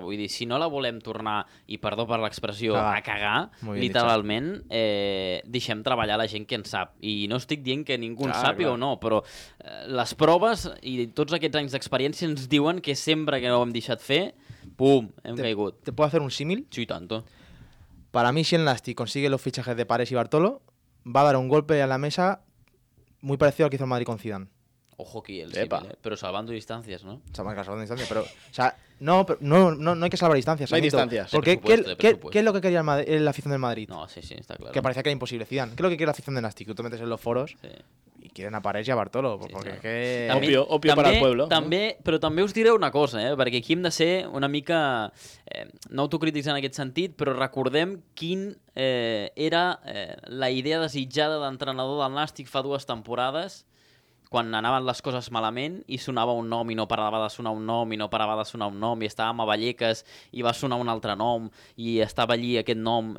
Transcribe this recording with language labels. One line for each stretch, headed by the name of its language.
Catalan: Vull dir, si no la volem tornar, i perdó per l'expressió, a cagar, literalment, deixem treballar la gent que en sap. I no estic dient que ningú en sàpiga o no, però les proves i tots aquests anys d'experiència ens diuen que sempre que no ho hem deixat fer, pum, hem caigut.
Spanish: ¿Te puedo hacer un símil? Sí, y tanto. Para mí, si el Nàstic consigue los fichajes de Parés y Bartolo, va a dar un golpe a la mesa muy parecido al que hizo el Madrid con Zidane. Ojo aquí, el símil, pero salvando distancias, ¿no? Salvando distancias, pero... O sea, no hay que salvar distancias. No hay distancias. Porque ¿qué es lo que quería la afición del Madrid? No, sí, está claro. Que parecía que era imposible Zidane. ¿Qué es lo que quiere la afición del Nàstic? Tú te metes en los foros... Sí. Y quieren a Parés y a Bartolo, porque sí, claro. Que... Obvio para el pueblo.
Catalan: També, però també us diré una cosa, perquè aquí hem de ser una mica... no autocrítics en aquest sentit, però recordem quin era la idea desitjada d'entrenador del Nàstic fa dues temporades, quan anaven les coses malament i sonava un nom i no parava de sonar un nom i no parava de sonar un nom i estàvem a Vallecas i va sonar un altre nom i estava allí aquest nom.